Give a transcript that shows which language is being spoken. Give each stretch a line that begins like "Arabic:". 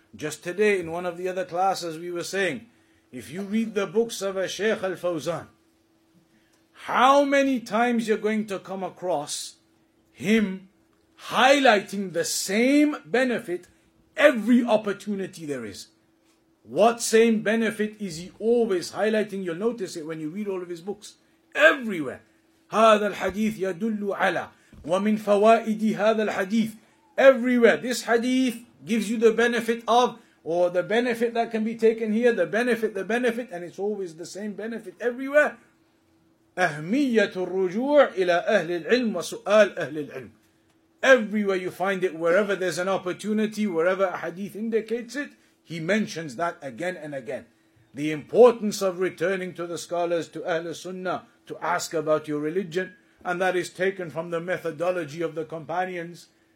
English: Just today in one of the other classes we were saying, if you read the books of a Shaykh Al-Fawzan, how many times you're going to come across him highlighting the same benefit every opportunity there is. What same benefit is he always highlighting? You'll notice it when you read all of his books. Everywhere.
Arabic: هذا الحديث يدل على ومن فوائد هذا الحديث.
English: Everywhere. This hadith gives you the benefit of, or the benefit that can be taken here, the benefit, and it's always the same benefit everywhere.
Arabic: أهمية الرجوع إلى أهل العلم وسؤال أهل العلم.
English: Everywhere you find it, wherever there's an opportunity, wherever a hadith indicates it, he mentions that again and again. The importance of returning to the scholars, to Ahlul Sunnah, to ask about your religion, and that is taken from the methodology of the companions.